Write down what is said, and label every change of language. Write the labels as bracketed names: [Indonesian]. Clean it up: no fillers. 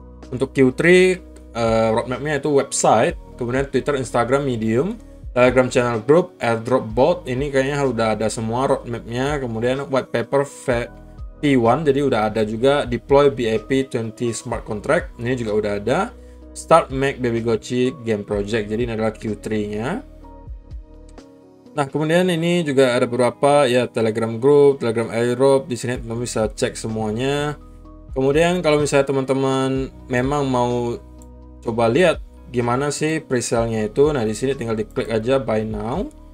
[Indonesian] Untuk Q3 roadmap-nya itu website, kemudian Twitter, Instagram, Medium, Telegram channel group, airdrop bot, ini kayaknya sudah ada semua roadmap-nya. Kemudian white paper V1, jadi udah ada juga deploy BIP 20 smart contract, ini juga udah ada. [English] Start make Baby Gochi game project. [Indonesian] Jadi ini adalah Q3-nya. Nah, kemudian ini juga ada beberapa ya Telegram group, Telegram airdrop, di sini teman-teman bisa cek semuanya. Kemudian kalau misalnya teman-teman memang mau coba lihat gimana sih presale-nya itu, nah di sini tinggal diklik aja buy now.